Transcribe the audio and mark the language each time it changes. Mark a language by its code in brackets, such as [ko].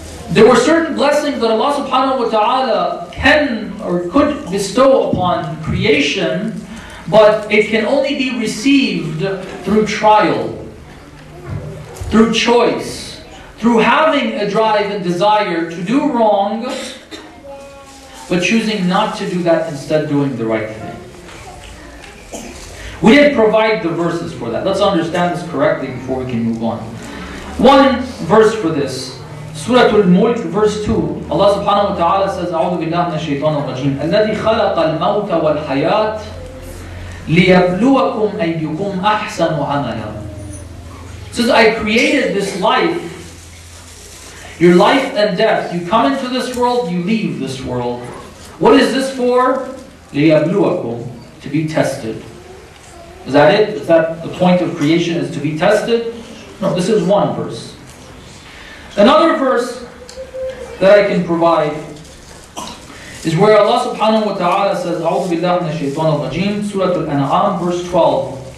[en] There were certain blessings that Allah subhanahu wa ta'ala can or could bestow upon creation, but it can only be received through trial, through choice, through having a drive and desire to do wrong, but choosing not to do that, instead doing the right thing. We didn't provide the verses for that. Let's understand this correctly before we can move on. One verse for this. Surah Al-Mulk, verse 2. [ar] Allah subhanahu wa ta'ala says, أعوذ بالله من الشيطان الرجيم الذي خلق الموت والحياة لِيَبْلُوَكُمْ أَيُّكُمْ أَحْسَنُ عَمَلًا. [en] It says, I created this life Your life and death. You come into this world, you leave this world. What is this for? لِيَبْلُوَكُمْ, to be tested. Is that it? Is that the point of creation, is to be tested? No, this is one verse. Another verse that I can provide is where Allah subhanahu wa ta'ala says, [ar] أعوذ بالله من الشيطان الرجيم, [en] Surah Al-An'am, verse 12.